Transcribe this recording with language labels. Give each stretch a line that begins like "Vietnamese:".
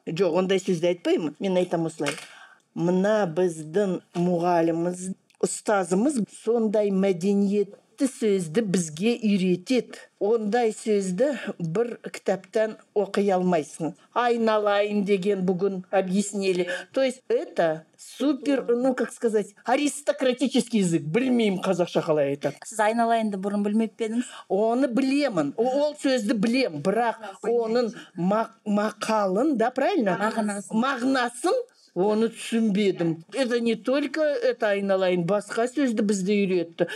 Kazakh: Жоқ, ондай сөзді айтпаймын. Мен айтам осылай. Мына біздің мұғаліміз, ұстазымыз сондай мәдениетті сөзді бізге үйретеді. Ондай сөзді бір кітаптан оқи алмайсың. Айналайын деген бүгін объяснили.
Russian: То есть это супер, ну как сказать, аристократический язык.
Kazakh: Білмеймін қазақша қалай айтады. Сіз айналайынды бұрын білмеп пе едіңіз? Оны білемін. Ол сөзді білем, бірақ оның мақалын, да, правильно? Мағынасын. Мағынасын Оны түсінбедім.
Russian: Это не только это
Kazakh: айналайын, басқа сөзді бізді үйретті.